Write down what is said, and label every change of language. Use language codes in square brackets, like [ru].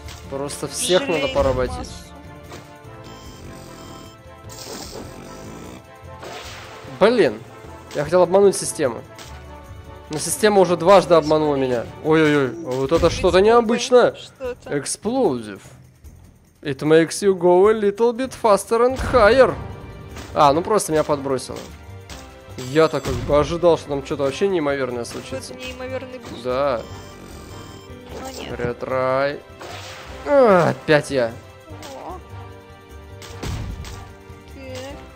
[ru] Просто всех надо поработить. Блин, я хотел обмануть систему. Но система уже дважды обманула меня. Ой-ой-ой, вот это что-то необычное. [en] Explosive. It makes you go a little bit faster and higher. [ru] А, ну просто меня подбросило. Я так как бы ожидал, что там что-то вообще неимоверное случится. Что-то неимоверный буст. Да. Но нет. Ретрай. А, опять я. О. Так.